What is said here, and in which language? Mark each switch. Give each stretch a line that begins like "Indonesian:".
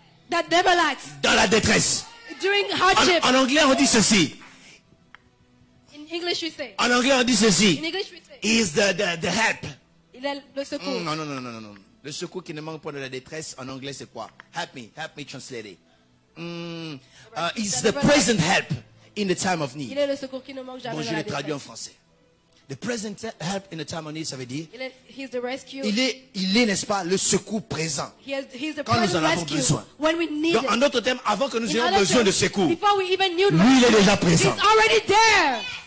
English: that never lacks
French: dans la détresse.
English: During hardship.
French: En anglais, on dit ceci.
English: In English, we say.
French: En anglais, on dit ceci.
English: In English, we say. Is the help.
French: Il est le secours. Non. Le secours qui ne manque point dans la détresse, en anglais, c'est quoi?
English: Help me translate it. Is the present help in the time of need.
French: Il est le secours qui ne manque jamais bon, dans la détresse. Bon, je l'ai traduit en français.
English: The present help in the time of need,
French: ça veut dire.
English: He's the rescue.
French: Il est, n'est-ce pas, le secours présent.
English: He's the
French: quand nous en avons besoin.
English: When we need
French: donc, en d'autres termes, avant que nous ayons besoin de secours,
English: before we even knew
French: lui, il est déjà présent.
English: He's already there.